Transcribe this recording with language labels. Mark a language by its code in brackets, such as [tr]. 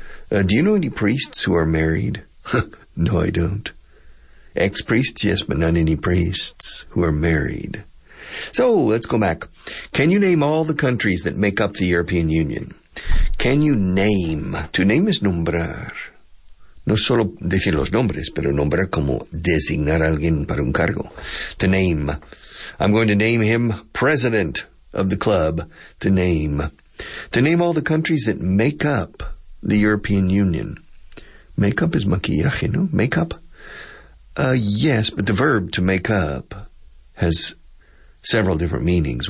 [en] Do you know any priests who are married? No, I don't. Ex-priests, yes, but not any priests who are married. So, let's go back. Can you name all the countries that make up the European Union? Can you name? To name is nombrar. [es] No solo decir los nombres, pero nombrar como designar a alguien para un cargo. [en] To name. I'm going to name him president of the club, to name all the countries that make up the European Union. Make up is maquillaje, no? Make up? Yes, but the verb to make up has several different meanings.